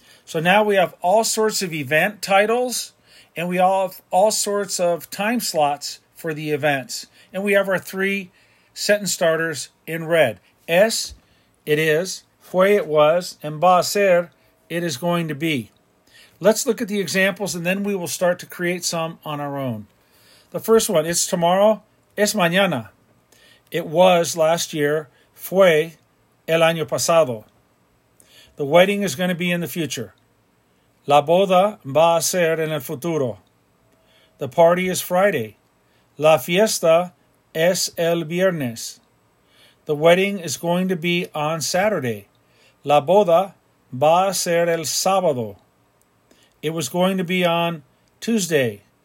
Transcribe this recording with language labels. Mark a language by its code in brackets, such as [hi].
[en] So now we have all sorts of event titles, and we all have all sorts of time slots for the events. And we have our three sentence starters in red. Es, it is, fue, it was, and [es] va a ser, [en] it is going to be. Let's look at the examples, and then we will start to create some on our own. The first one, it's tomorrow, [es] es mañana. [en] It was last year, [es] fue el año pasado. [en] The wedding is going to be in the future. [es] La boda va a ser en el futuro. [en] The party is Friday. [es] La fiesta es el viernes. [en] The wedding is going to be on Saturday. [es] La boda va a ser el sábado. [en] It was going to be on Tuesday.